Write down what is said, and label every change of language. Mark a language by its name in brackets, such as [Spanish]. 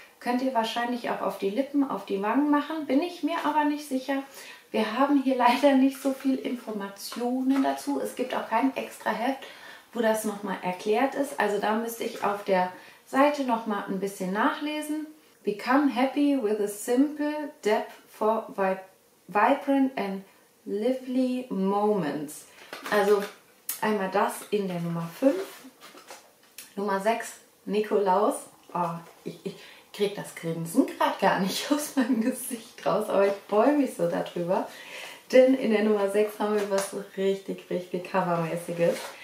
[German] Könnt ihr wahrscheinlich auch auf die Lippen, auf die Wangen machen, bin ich mir aber nicht sicher. Wir haben hier leider nicht so viel Informationen dazu. Es gibt auch kein extra Heft, wo das nochmal erklärt ist. Also da müsste ich auf der Seite nochmal ein bisschen nachlesen. [English] Become happy with a simple depth for vibrant and lively moments. [German] Also einmal das in der Nummer 5. Nummer 6, Nikolaus. Oh, ich kriege das Grinsen gerade gar nicht aus meinem Gesicht raus, aber ich freue mich so darüber. Denn in der Nummer 6 haben wir was richtig, richtig covermäßiges.